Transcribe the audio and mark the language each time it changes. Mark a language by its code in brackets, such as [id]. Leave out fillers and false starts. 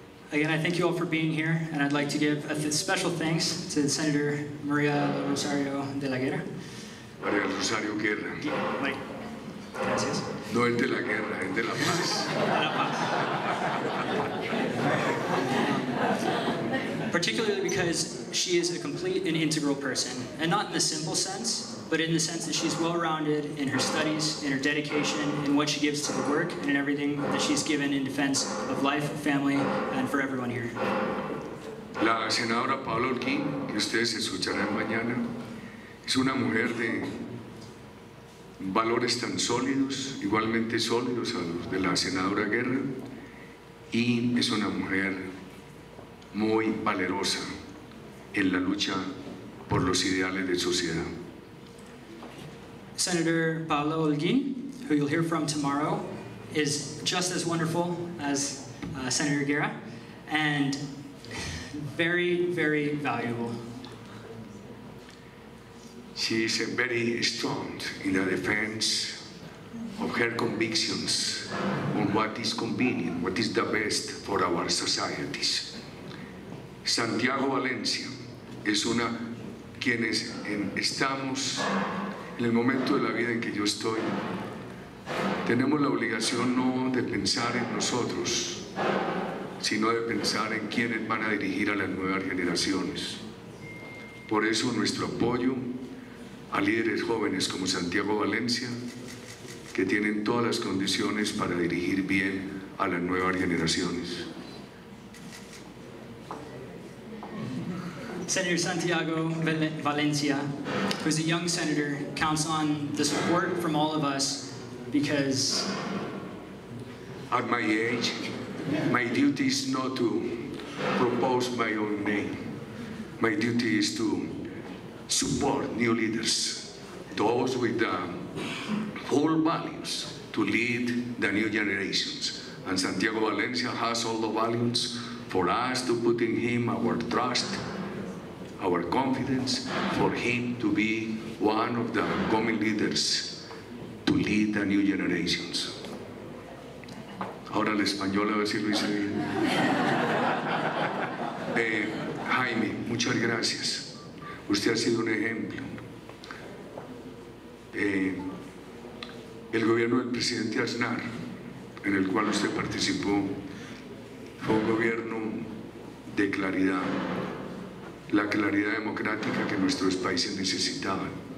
[en] Again, I thank you all for being here, and I'd like to give a special thanks to Senator María del Rosario de la Guerra. [es] María del Rosario Guerra. Gracias. No es de la guerra, es de la paz. De la paz. [en] Particularly because she is a complete and integral person, and not in the simple sense, but in the sense that she's well-rounded in her studies, in her dedication, in what she gives to the work, and in everything that she's given in defense of life, family, and for everyone here. [es] La senadora Paola Holguín, que ustedes escucharán mañana, es una mujer de valores tan sólidos, igualmente sólidos a los de la senadora Guerra, y es una mujer muy valerosa en la lucha por los ideales de sociedad. [en] Senator Paola Holguín, who you'll hear from tomorrow, is just as wonderful as Senator Guerra, and very, very valuable. She is very strong in the defense of her convictions on what is convenient, what is the best for our societies. [es] Santiago Valencia es una quienes estamos en el momento de la vida en que yo estoy, tenemos la obligación no de pensar en nosotros, sino de pensar en quienes van a dirigir a las nuevas generaciones. Por eso nuestro apoyo a líderes jóvenes como Santiago Valencia, que tienen todas las condiciones para dirigir bien a las nuevas generaciones. [en] Senator Santiago Valencia, who is a young senator, counts on the support from all of us because... At my age, my duty is not to propose my own name. My duty is to support new leaders, those with the full values to lead the new generations. And Santiago Valencia has all the values for us to put in him our trust, our confidence, for him to be one of the coming leaders to lead the new generations. [es] Ahora el español, a ver si lo hice bien. Jaime, muchas gracias. Usted ha sido un ejemplo. El gobierno del presidente Aznar, en el cual usted participó, fue un gobierno de claridad, la claridad democrática que nuestros países necesitaban.